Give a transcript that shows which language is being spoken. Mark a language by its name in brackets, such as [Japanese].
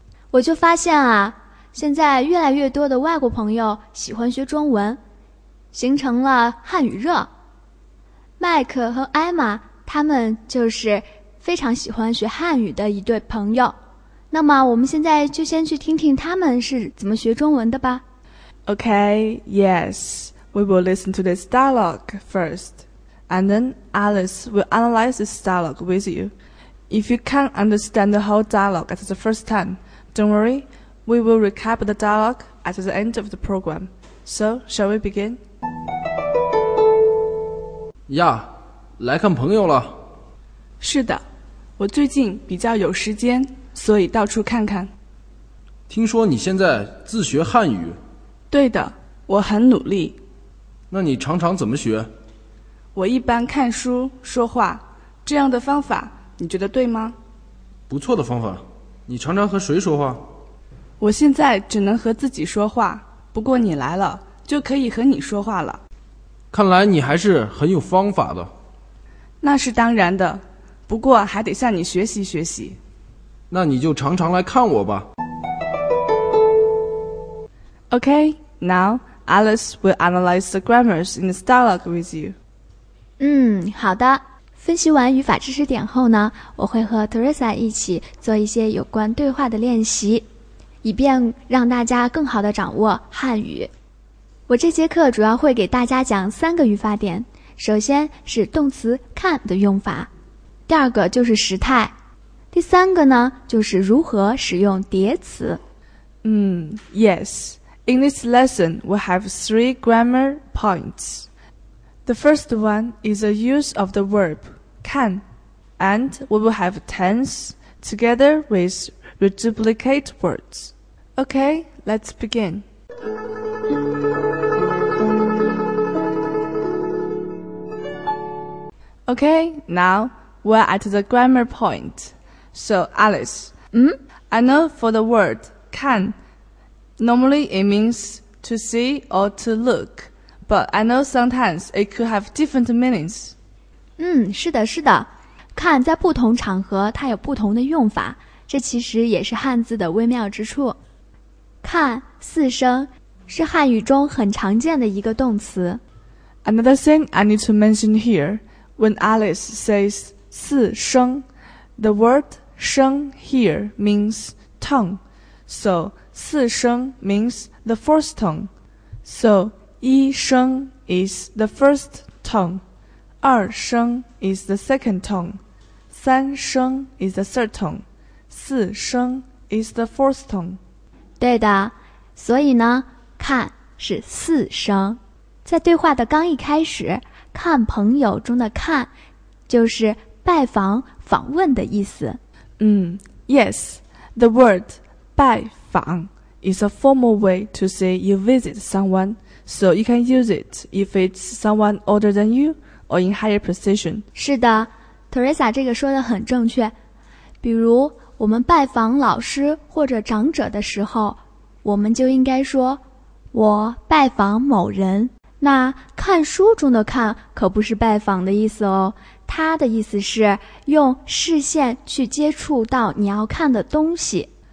[Chinese] 我就发现啊，现在越来越多的外国朋友喜欢学中文，形成了汉语热。 Mike 和 Emma 他们就是非常喜欢学汉语的一对朋友。那么我们现在就先去听听他们是怎么学中文的吧。 [English] Okay, yes, we will listen to this dialogue first, and then Alice will analyze this dialogue with you. If you can't understand the whole dialogue at the first time, don't worry, we will recap the dialogue at the end of the program. So, shall we begin? [Chinese] 呀，来看朋友了。是的，我最近比较有时间，所以到处看看。听说你现在自学汉语？对的，我很努力。那你常常怎么学？我一般看书、说话，这样的方法你觉得对吗？不错的方法。你常常和谁说话？我现在只能和自己说话，不过你来了，就可以和你说话了。看来你还是很有方法的。那是当然的，不过还得向你学习学习。那你就常常来看我吧。 [English] Okay, now Alice will analyze the grammars in this dialogue with you. [Chinese] 好的。分析完语法知识点后呢，我会和 Teresa 一起做一些有关对话的练习，以便让大家更好地掌握汉语。我这节课主要会给大家讲三个语法点，首先是动词看的用法，第二个就是时态，第三个呢，就是如何使用叠词。 [English] Yes. In this lesson, we have three grammar points. The first one is the use of the verb 看, and we will have tense together with reduplicate words. Okay, let's begin. Okay, now we're at the grammar point. So, Alice, I know for the word 看, normally it means to see or to look, but I know sometimes it could have different meanings. [Chinese] 是的，是的。看在不同场合它有不同的用法，这其实也是汉字的微妙之处。看四声是汉语中很常见的一个动词。 [English] Another thing I need to mention here, when Alice says 四声, the word 声 here means tongue, so 四声 means the fourth tongue. So, 一声 is the first tongue, 二声 is the second tongue, 三声 is the third tongue, 四声 is the fourth tongue. [Chinese] 对的，所以呢，看是四声。在对话的刚一开始，看朋友中的看就是拜访、访问的意思。 [English] Yes, the word 拜访is a formal way to say you visit someone, so you can use it if it's someone older than you or in higher position. [Chinese] 是的， Teresa 这个说得很正确。比如我们拜访老师或者长者的时候，我们就应该说我拜访某人。那看书中的看可不是拜访的意思哦，它的意思是用视线去接触到你要看的东西。